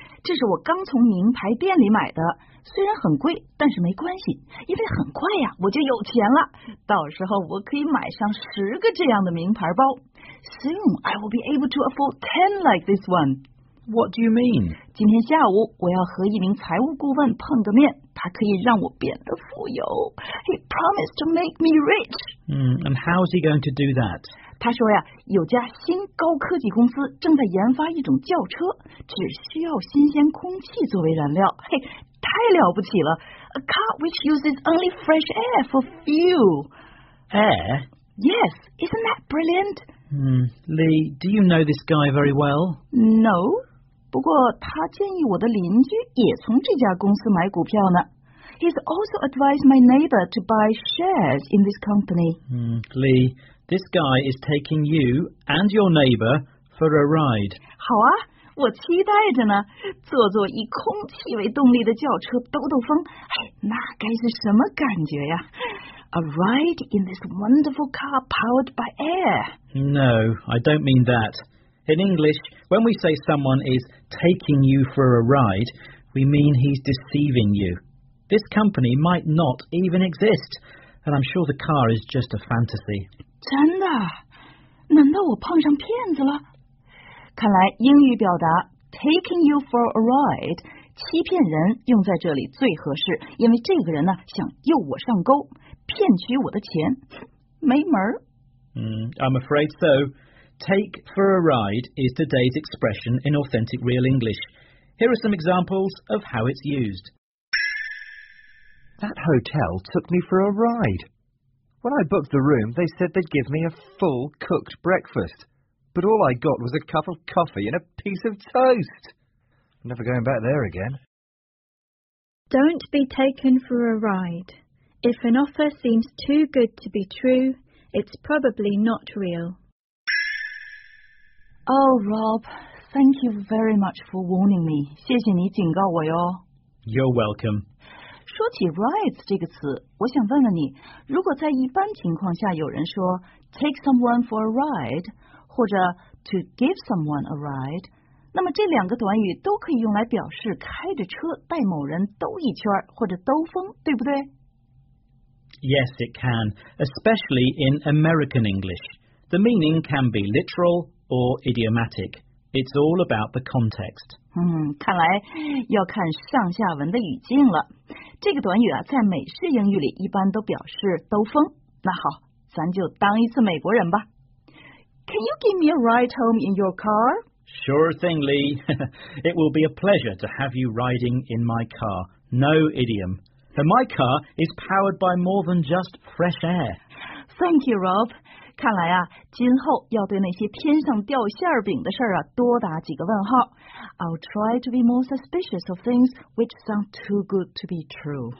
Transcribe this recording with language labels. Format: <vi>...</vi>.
<zh>这是我刚从名牌店里买的，虽然很贵，但是没关系，因为很快呀，我就有钱了。到时候我可以买上十个这样的名牌包。</zh> <en>Soon, I will be able to afford 10 like this one. What do you mean?</en> <zh>今天下午我要和一名财务顾问碰个面，他可以让我变得富有。</zh> <en>He promised to make me rich. And how is he going to do that?</en> <zh>他说呀，有家新高科技公司正在研发一种轿车，只需要新鲜空气作为燃料。嘿，太了不起了</zh> <en>！A car which uses only fresh air for fuel. Air? Yes, isn't that brilliant? Lee, do you know this guy very well? No.</en> <zh>不过他建议我的邻居也从这家公司买股票呢。</zh> <en>He's also advised my neighbor to buy shares in this company. Lee. This guy is taking you and your neighbor for a ride.</en> <zh>好啊，我期待着呢。坐坐以空气为动力的轿车，兜兜风，哎，那该是什么感觉呀？</zh> <en>A ride in this wonderful car powered by air. No, I don't mean that. In English, when we say someone is taking you for a ride, we mean he's deceiving you. This company might not even exist, and I'm sure the car is just a fantasy.</en> <zh>真的？难道我碰上骗子了？看来英语表达</zh> <en>taking you for a ride</en> <zh>欺骗人用在这里最合适，因为这个人呢想诱我上钩，骗取我的钱，没门儿。</zh> <en>I'm afraid so. Take for a ride is today's expression in authentic real English. Here are some examples of how it's used. That hotel took me for a ride. When I booked the room, they said they'd give me a full cooked breakfast. But all I got was a cup of coffee and a piece of toast. I'm never going back there again. Don't be taken for a ride. If an offer seems too good to be true, it's probably not real. Oh, Rob, thank you very much for warning me.</en> <zh>谢谢你警告我哟。</zh> <en>You're welcome.</en> <zh>说起 rides 这个词，我想问问你，如果在一般情况下有人说</zh> <en>take someone for a ride</en> <zh>或者</zh> <en>to give someone a ride，</en> <zh>那么这两个短语都可以用来表示开着车带某人兜一圈或者兜风，对不对？</zh> <en>Yes, it can, especially in American English. The meaning can be literal or idiomatic. It's all about the context.</en> <zh>看来要看上下文的语境了。这个短语啊，在美式英语里一般都表示兜风。那好，咱就当一次美国人吧。</zh> <en>Can you give me a ride home in your car? Sure thing, Lee. It will be a pleasure to have you riding in my car. No idiom. And my car is powered by more than just fresh air. Thank you, Rob.</en> <zh>看来啊，今后要对那些天上掉馅饼的事儿啊，多打几个问号。</zh> <en>I'll try to be more suspicious of things which sound too good to be true.</en>